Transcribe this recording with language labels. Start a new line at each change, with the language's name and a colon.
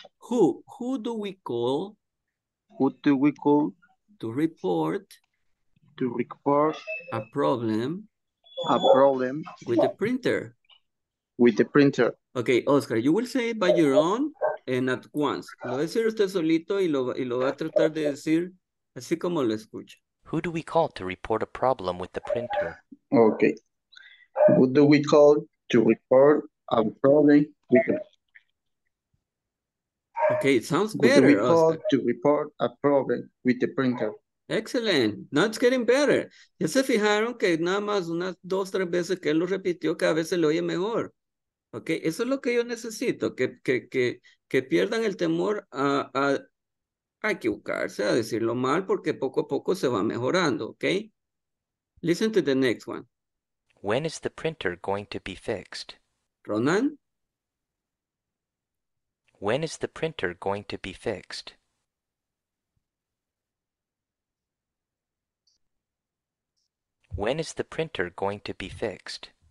English: Who do we call? Who do we call? To report. To report. A problem. A problem. With the printer. With the printer. Okay, Oscar, you will say it by your own and at once.
Spanish: Lo va a decir usted solito y lo va a tratar de decir así como lo escucha.
English: Who do we call to report a problem with the printer? Okay. Who do we call to report a problem with the printer? Okay, it sounds better. Who do we call to report a problem with the printer? Excellent. Now it's getting better.
Spanish: Ya se fijaron que nada más unas dos, tres veces que él lo repitió, cada vez se le oye mejor. Okay, eso es lo que yo necesito, que pierdan el temor a equivocarse, a decirlo mal, porque poco a poco se va mejorando, okay?
English: Listen to the next one. When is the printer going to be fixed? Ronan? When is the printer going to be fixed? When is the printer going to be fixed?